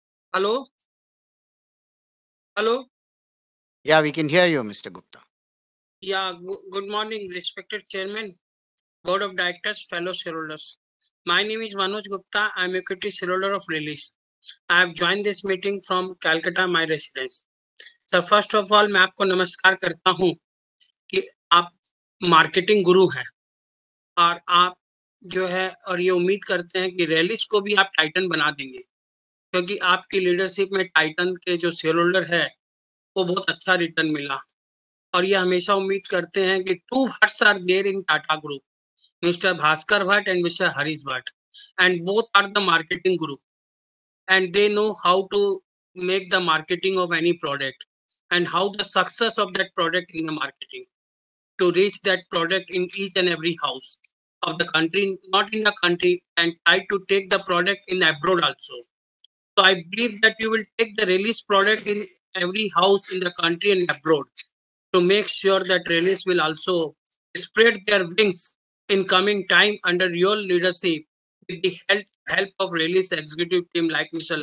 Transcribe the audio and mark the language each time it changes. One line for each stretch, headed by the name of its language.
English: Hello? Hello? Yeah, we can hear you, Mr. Gupta. Yeah, good morning, respected chairman, board of directors, fellow shareholders. My name is Manoj Gupta. I'm equity shareholder of Rallis. I have joined this meeting from Calcutta, my residence. Sir first of all
Hindi: मैं आपको नमस्कार करता हूँ कि आप marketing गुरु हैं और आप जो है और ये उम्मीद करते हैं कि Rallis को भी आप टाइटन बना देंगे क्योंकि आपकी लीडरशिप में टाइटन के जो शेयर होल्डर है वो बहुत अच्छा रिटर्न मिला और ये हमेशा उम्मीद करते हैं कि
English: Two Bhatts are there in Tata group mister Bhaskar Bhatt and mister Harish Bhatt and both are the marketing guru and they know how to make the marketing of any product and how the success of that product in the marketing to reach that product in each and every house of the country, not in the country, and try to take the product in abroad also. So I believe that you will take the Rallis product in every house in the country and abroad to make sure that Rallis will also spread their wings in coming time under your leadership with the help of Rallis executive team like Mr.